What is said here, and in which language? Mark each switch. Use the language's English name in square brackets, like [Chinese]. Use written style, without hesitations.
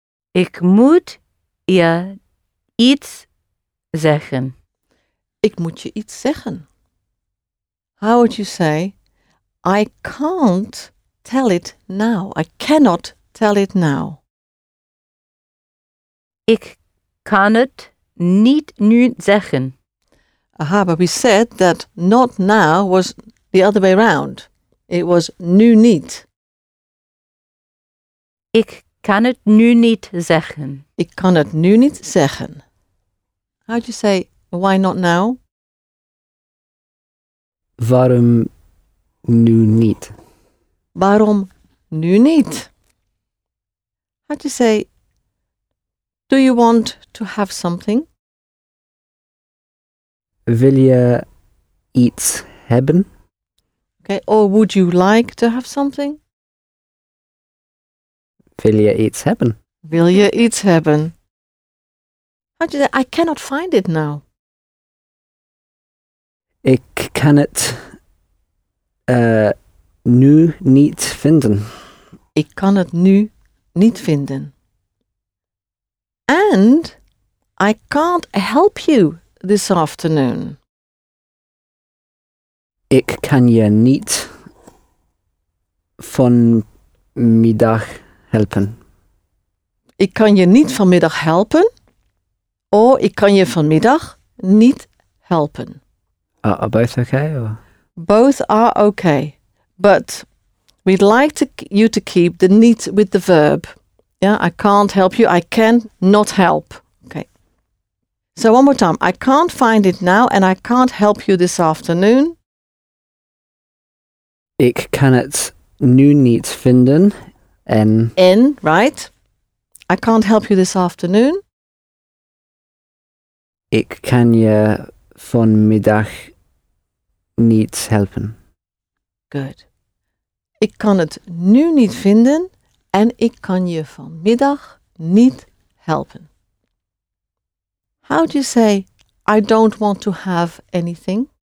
[Dutch] Ik moet je iets zeggen. Ik moet je iets zeggen. [English] How would you say, I can't tell it now. I cannot tell it now. [Dutch] Ik kan het niet nu zeggen. [English] Aha, but we said that not now was the other way around. It was [Dutch] nu niet. Ik kan het nu niet zeggen. Ik kan het nu niet zeggen. [English] How do you say, why not now? [Dutch] Waarom nu niet? Waarom nu niet? [English] How do you say, do you want to have something? [Dutch] Wil je iets hebben? [English] Okay, or would you like to have something? [Dutch] Wil je iets hebben? Wil je iets hebben? [English] How do you say, I cannot find it now. [Dutch] Ik kan het nu niet vinden. Ik kan het nu niet vinden. [English] And I can't help you this afternoon. [Dutch] Ik kan je niet vanmiddag helpen. Ik kan je niet vanmiddag helpen. Or ik kan je vanmiddag niet helpen. [English] Are both okay? Or? Both are okay. But we'd like to you to keep the niet with the verb. Yeah, I can't help you. I can not help. Okay. So one more time. I can't find it now and I can't help you this afternoon. [Dutch] Ik kan het nu niet vinden. [English] En, right? I can't help you this afternoon. [Dutch] Ik kan je vanmiddag niet helpen. [English] Good. [Dutch] Ik kan het nu niet vinden. En ik kan je vanmiddag niet helpen. [English] How do you say, I don't want to have anything?